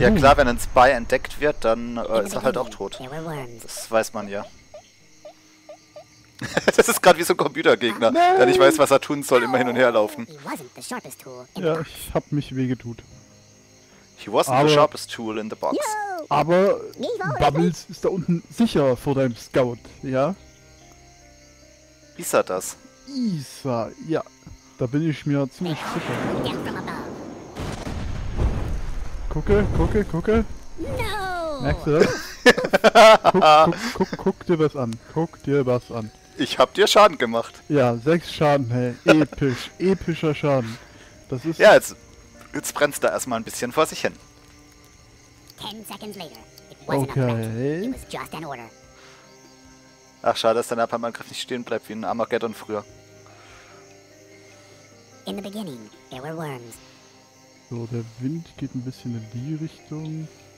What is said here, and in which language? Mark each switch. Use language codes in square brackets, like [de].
[de] ja klar, wenn ein Spy entdeckt wird, dann ist er halt auch tot. Das weiß man ja. Das ist gerade wie so ein Computergegner, der nicht weiß, was er tun soll, immer hin und her laufen. Ja, ich hab mich wehgetut. [en] He wasn't the sharpest tool in the box. [de] Aber Bubbles ist da unten sicher vor deinem Scout, ja? Isa das? Isa, ja. Da bin ich mir ziemlich sicher. Gucke, gucke, gucke. [en] No! [de] Merkst du das? guck dir was an. Guck dir was an. Ich hab dir Schaden gemacht. Ja, 6 Schaden, hey. Episch. Epischer Schaden. Das ist. Ja, jetzt brennst du da erstmal ein bisschen vor sich hin. [en] 10 seconds later. Okay. It was just an order. [de] Ach, schade, dass dein Abhammangriff nicht stehen bleibt wie ein Armageddon früher. [en] In the beginning, there were worms. [de] So, der Wind geht ein bisschen in die Richtung.